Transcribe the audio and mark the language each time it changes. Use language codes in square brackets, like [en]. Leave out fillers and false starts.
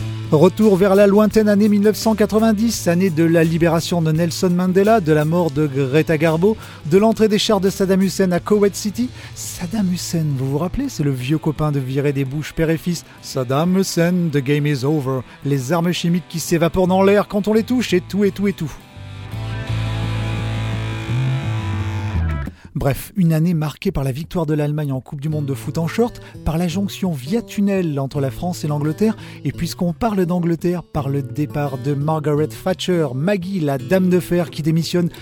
[fr] Retour vers la lointaine année 1990, année de la libération de Nelson Mandela, de la mort de Greta Garbo, de l'entrée des chars de Saddam Hussein à Kuwait City. Saddam Hussein, vous vous rappelez, c'est le vieux copain de virer des bouches père et fils. [en] Saddam Hussein, the game is over. [fr] Les armes chimiques qui s'évaporent dans l'air quand on les touche et tout et tout et tout. Bref, une année marquée par la victoire de l'Allemagne en Coupe du Monde de foot en short, par la jonction via tunnel entre la France et l'Angleterre, et puisqu'on parle d'Angleterre, par le départ de Margaret Thatcher, Maggie, la dame de fer qui démissionne.